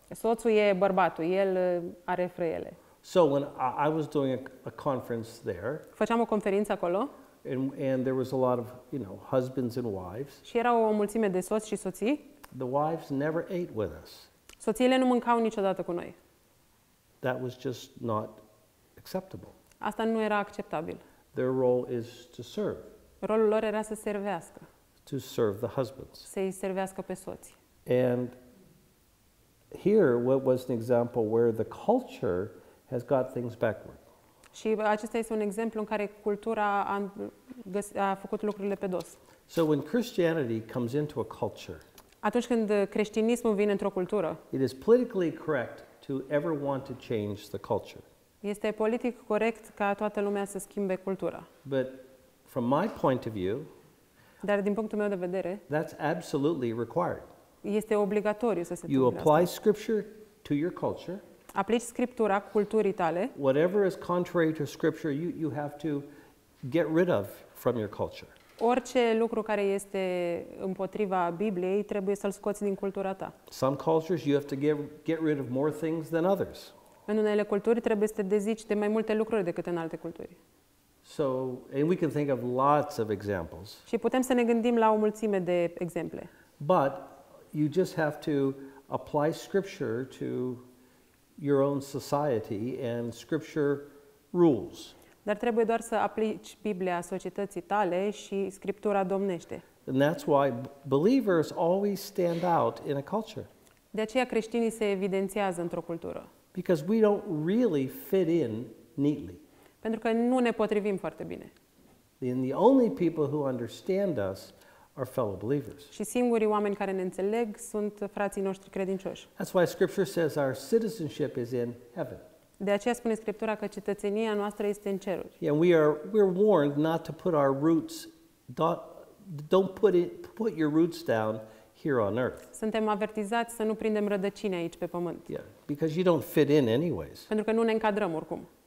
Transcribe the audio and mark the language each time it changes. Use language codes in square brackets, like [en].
[ro] Soțul e bărbatul, el are freele. [en] So when I was doing a conference there, [ro] făceam o conferință acolo, [en] and there was a lot of, husbands and wives. [ro] Și era o mulțime de soți și soții. [en] The wives never ate with us. [ro] Soțiile nu mâncau niciodată cu noi. [en] That was just not acceptable. [ro] Asta nu era acceptabil. [en] Their role is to serve. [ro] Rolul lor era să servească. [en] To serve the husbands. [ro] Să-i servească pe soți. [en] And here what was an example where the culture has got things backward. [ro] Și acesta este un exemplu în care cultura a făcut lucrurile pe dos. [en] So when Christianity comes into a culture. [ro] Atunci când creștinismul vine într-o cultură. [en] It is politically correct to ever want to change the culture. [ro] Este politic corect ca toată lumea să schimbe cultura. [en] But from my point of view. [ro] Dar din punctul meu de vedere. [en] That's absolutely required. [ro] Este obligatoriu să se întâmple. [en] You apply scripture to your culture. [ro] Aplici scriptura culturii tale. [en] Whatever is contrary to scripture, you have to get rid of from your culture. [ro] Orice lucru care este împotriva Bibliei, trebuie să-l scoți din cultura ta. [en] Some cultures you have to get rid of more things than others. [ro] În unele culturi trebuie să te dezici de mai multe lucruri decât în alte culturi. [en] So, and we can think of lots of examples. [ro] Și putem să ne gândim la o mulțime de exemple. [en] But you just have to apply scripture to your own society and scripture rules. [ro] Dar trebuie doar să aplici Biblia societății tale și scriptura domnește. [en] And that's why believers always stand out in a culture. [ro] De aceea creștinii se evidențiază într-o cultură. [en] Because we don't really fit in neatly. [ro] Pentru că nu ne potrivim foarte bine. [en] And the only people who understand us are fellow believers. [ro] Și singurii oameni care ne înțeleg sunt frații noștri credincioși. [en] That's why scripture says our citizenship is in heaven. [ro] De aceea spune scriptura că cetățenia noastră este în ceruri. [en] Yeah, we're warned not to put our roots don't put your roots down here on earth. [ro] Suntem avertizați să nu prindem rădăcini aici pe pământ. [en] Yeah, because you don't fit in anyways. [ro] Pentru că nu ne încadrăm oricum.